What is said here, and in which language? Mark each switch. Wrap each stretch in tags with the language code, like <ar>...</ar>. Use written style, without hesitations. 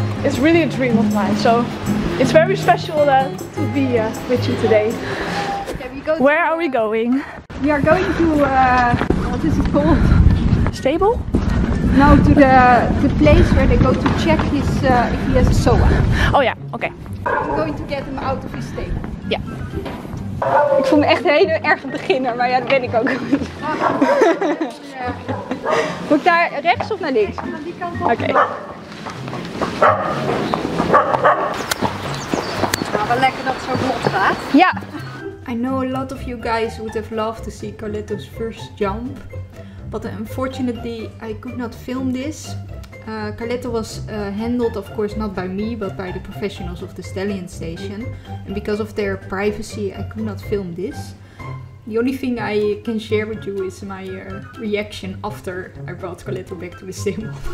<en>it's really a dream of mine. So it's very special to be with you today. Okay, we go to where are we going? We are going to what is it called? Stable? No, to the place where they go to check his if he has a SOA. Oh yeah, okay. We're going to get him out of his stable. Yeah.</en> <nl>Ik voel me echt een hele erge beginner, maar ja, dat ben ik ook. Moet ik daar rechts of naar links? Aan die kant op. Oké. Nou, wel lekker dat het zo vlot gaat. Ja.</nl> <en>I know a lot of you guys would have loved to see Carletto's first jump. But unfortunately, I could not film this. Carletto was handled, of course, not by me, but by the professionals of the Stallion Station. And because of their privacy, I could not film this. The only thing I can share with you is my reaction after I brought Carletto back to the stable.</en>